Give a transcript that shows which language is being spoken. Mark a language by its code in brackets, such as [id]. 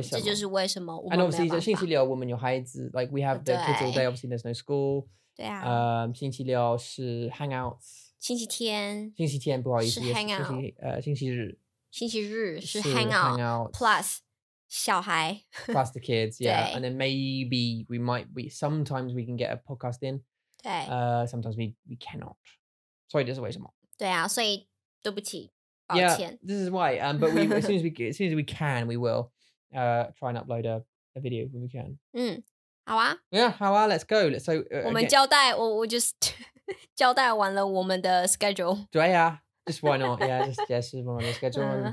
[zh] 这就是为什么 我们有孩子 [en] like we have the kids all day obviously there's no school [zh] 星期六是 [en] hangouts [zh] 星期天不好意思星期日是 [en] hangout plus [zh] 小孩 [en] plus the kids yeah and then maybe we might be sometimes we can get a podcast in sometimes we cannot sorry [zh] 这是为什么对啊所以对不起 [en] yeah this is why but we as soon as we can we will try and upload a video when we can [zh] 好啊 [en] Yeah, [zh] 好啊 [en] Let's go let's, so, [zh] 我们交代 我 [en] just [zh] 交代完了我们的 schedule 对啊 [en] Just why not Yeah, just [zh] 我们的 [en] schedule